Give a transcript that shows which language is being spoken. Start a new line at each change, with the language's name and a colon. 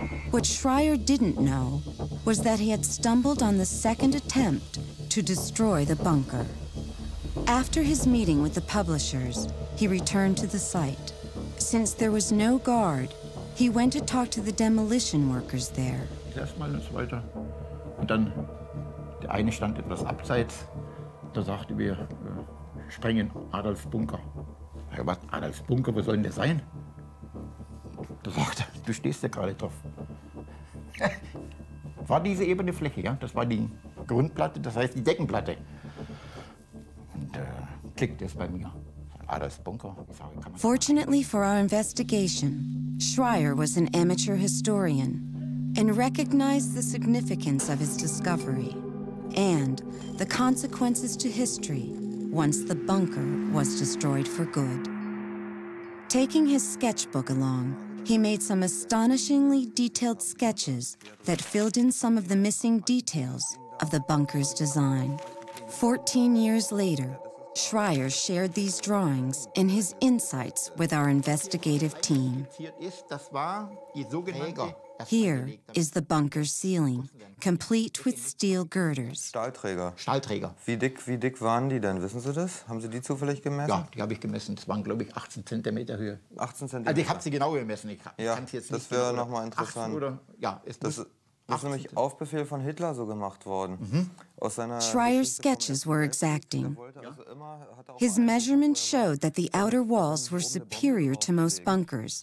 English: What Schreier didn't know was that he had stumbled on the second attempt to destroy the bunker. After his meeting with the publishers, he returned to the site. Since there was no guard, he went to talk to the demolition workers there.
German: Erstmal und so weiter. Und dann, der eine stand etwas abseits, da sagte wir, sprengen Adolf Bunker. Was, Adolf Bunker, wo soll denn der sein? Da sagte, du stehst ja gerade drauf. War diese ebene Fläche, ja? Das war die Grundplatte, das heißt die Deckenplatte. Und klickt es bei mir. Adolf Bunker.
English: Fortunately for our investigation, Schreier was an amateur historian and recognized the significance of his discovery and the consequences to history once the bunker was destroyed for good. Taking his sketchbook along, he made some astonishingly detailed sketches that filled in some of the missing details of the bunker's design. 14 years later, Schreier shared these drawings and his insights with our investigative team.
German: Das war die sogenannte
English: Here is the bunker ceiling, complete with steel girders.
German: Stahlträger. Stahlträger. Wie dick waren die denn? Wissen Sie das? Haben Sie die zufällig gemessen? Ja, die habe ich gemessen. Das waren, glaube ich, 18 cm Höhe. 18 cm. Also ich habe sie genau gemessen. Ich ja, kann sie jetzt das wäre nochmal interessant. Oder, ja, das ist nämlich auf Befehl von Hitler so gemacht worden. Mhm. Aus seiner
English: Schreier's sketches were exacting.
German: Ja.
English: His measurement showed that the outer walls were superior to most bunkers.